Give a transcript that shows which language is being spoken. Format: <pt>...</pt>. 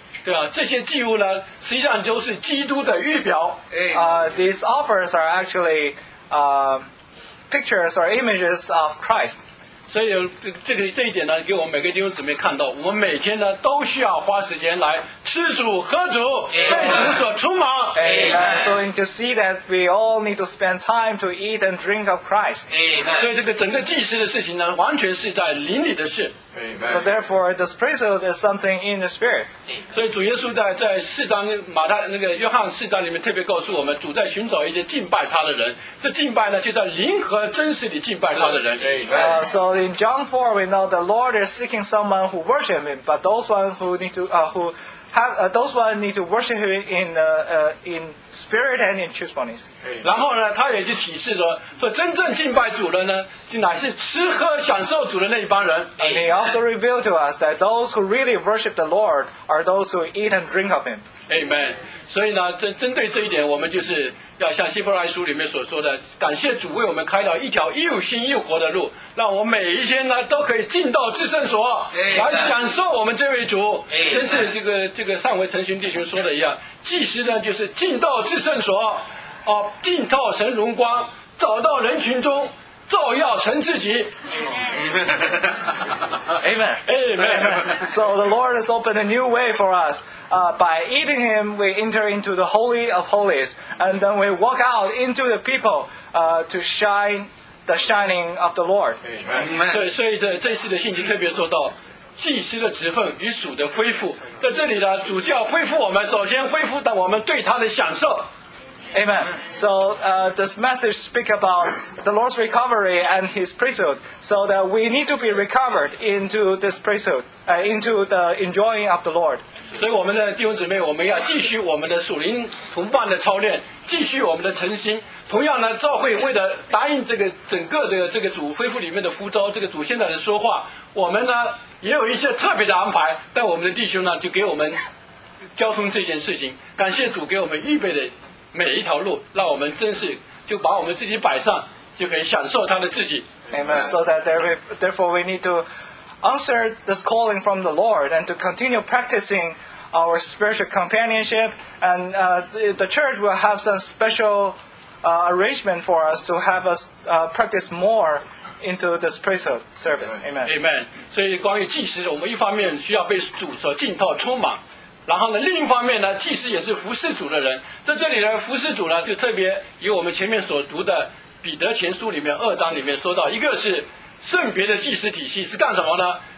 <zh>对啊，这些祭物呢，实际上就是基督的预表。</zh> <en>These offers are actually pictures or images of Christ.</en> <zh>所以这一点呢，给我们每个弟兄姊妹看到，我们每天呢都需要花时间来吃主、喝主、被主所充满。</zh> <en>Amen. So we need to see that we all need to spend time to eat and drink of Christ. Amen.</en> <zh>所以这个整个祭司的事情呢，完全是在灵里的事。</zh> <en>Amen. So therefore, this priesthood is something in the spirit.</en> <zh>所以主耶稣在四章马太那个约翰四章里面特别告诉我们，主在寻找一些敬拜他的人。这敬拜呢，就在灵和真实里敬拜他的人。</zh> <en>Amen. So in John 4, we know the Lord is seeking someone who worship Him, but those one who need to those who need to worship him in spirit and in truthfulness.</en> <zh>然后呢，他也就启示了，说真正敬拜主的呢，就乃是吃喝享受主的那一帮人。</zh> <en>And he also revealed to us that those who really worship the Lord are those who eat and drink of him. Amen.</en> <zh>所以呢，针对这一点，我们就是要像希伯来书里面所说的，感谢主为我们开了一条又新又活的路，让我每一天呢都可以进到至圣所，来享受我们这位主。真是这个上回陈寻弟兄说的一样，祭司呢就是进到至圣所，哦，进到神荣光，走到人群中。照耀成自己</zh> <en>Amen. Amen. Amen. So the Lord has opened a new way for us. By eating him, we enter into the Holy of Holies. And then we walk out into the people to shine the shining of the Lord. Amen.</en> <zh>对，所以这次的信息特别说到祭司的职分与主的恢复。在这里呢，主就要恢复我们，首先恢复到我们对他的享受。</zh> <en>Amen. So this message speaks about the Lord's recovery and his priesthood, so that we need to be recovered into this priesthood, into the enjoying of the Lord.</en> <zh>所以我们的弟兄姊妹，我们要继续我们的属灵同伴的操练，继续我们的诚心。同样呢，召会为了答应这个整个这个主恢复里面的呼召，这个主现在的说话，我们呢也有一些特别的安排，但我们的弟兄呢就给我们交通这件事情，感谢主给我们预备的每一条路，让我们真是就把我们自己摆上，就可以享受他的自己。</zh> <en>Amen. So that therefore we need to answer this calling from the Lord and to continue practicing our spiritual companionship. And the church will have some special arrangement for us to have us practice more into this priesthood service. Amen. Amen.</en> <zh>所以关于祭司，我们一方面需要被主所浸透充满。然后呢，另一方面呢，祭司也是服侍主的人。在这里呢，服侍主呢，就特别以我们前面所读的彼得前书里面二章里面说到，一个是圣别的祭司体系是干什么呢？</zh>